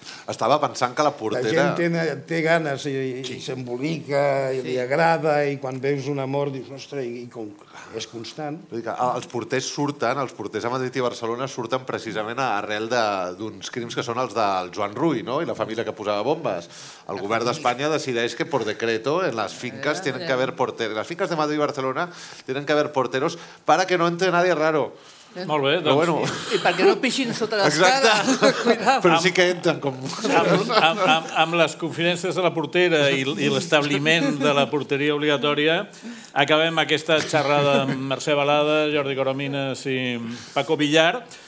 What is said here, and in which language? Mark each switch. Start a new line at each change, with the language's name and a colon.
Catalan: Estava pensant que la portera... La gent té ganes i s'embolica i li agrada, i quan veus una mort dius, ostres, i com és constant. Els porters a Madrid i Barcelona surten precisament arrel d'uns crims que són els del Joan Rull, no? I la família que posava bombes. El govern d'Espanya decideix que
Spanish: por decreto en las fincas tienen que haber porteros. Las fincas de Madrid i Barcelona tienen que haber porteros para que no entre nadie raro.
Catalan: Molt bé, doncs... Bueno. I perquè no pixin sota l'escala. Exacte, però sí que entren com... Amb les confidències de la portera i l'establiment de la porteria obligatòria, acabem aquesta xerrada amb Mercè Balada, Jordi Coromines i Paco Villar.